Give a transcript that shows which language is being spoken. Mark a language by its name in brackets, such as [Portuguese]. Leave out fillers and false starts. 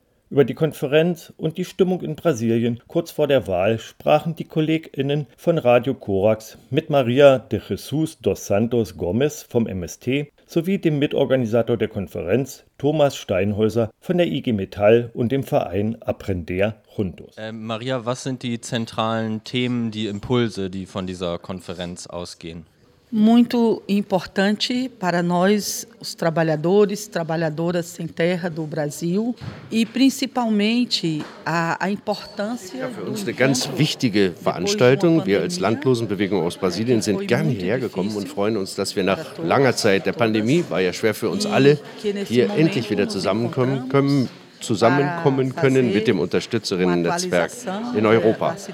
[German] Über die Konferenz und die Stimmung in Brasilien kurz vor der Wahl sprachen die KollegInnen von Radio Corax mit Maria de Jesus dos Santos Gomes vom MST sowie dem Mitorganisator der Konferenz, Thomas Steinhäuser von der IG Metall und dem Verein Aprender Juntos. Maria, was sind die zentralen Themen, die Impulse, die von dieser Konferenz ausgehen? [Portuguese] Muito importante para nós, os trabalhadores, trabalhadoras sem terra do Brasil e principalmente a importância. [German] Ja, für uns eine ganz wichtige Veranstaltung. Wir als Landlosenbewegung aus Brasilien sind gern hierher gekommen und freuen uns, dass wir nach langer Zeit der Pandemie, war ja schwer für uns alle, hier endlich wieder zusammenkommen können mit dem Unterstützerinnen-Netzwerk in Europa.